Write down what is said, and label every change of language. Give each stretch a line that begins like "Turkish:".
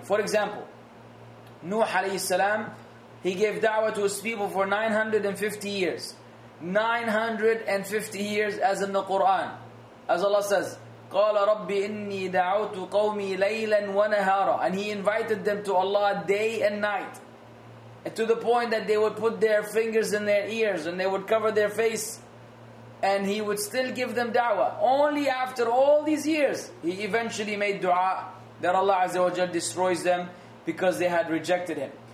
English: For example, Nuh alayhi salam, he gave da'wah to his people for 950 years. 950 years, as in the Quran. As Allah says,
Arabic: قَالَ رَبِّ إِنِّي دَعَوْتُ قَوْمِي لَيْلًا وَنَهَارًا.
English: And he invited them to Allah day and night, to the point that they would put their fingers in their ears and they would cover their face, and he would still give them da'wah. Only after all these years, he eventually made dua that Allah Azza wa Jal destroys them because they had rejected him.